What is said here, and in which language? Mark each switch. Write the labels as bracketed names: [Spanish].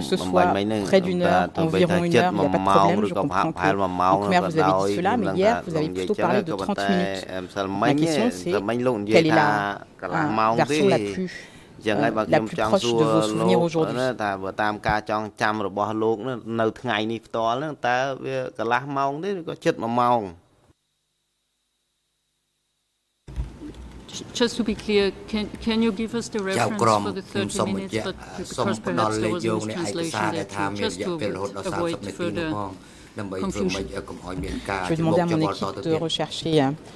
[French] ce soit près d'une heure, environ une heure, il n'y a pas de problème, je comprends que au Khmer vous avez dit cela, mais hier vous avez plutôt parlé de 30 minutes. Ma question c'est quelle est la version la plus [English] Just to be clear, can you give us the reference for the 30 minutes? But because perhaps there was a mistranslation there too, just to avoid further confusion. [French] Je vais demander à mon équipe de rechercher.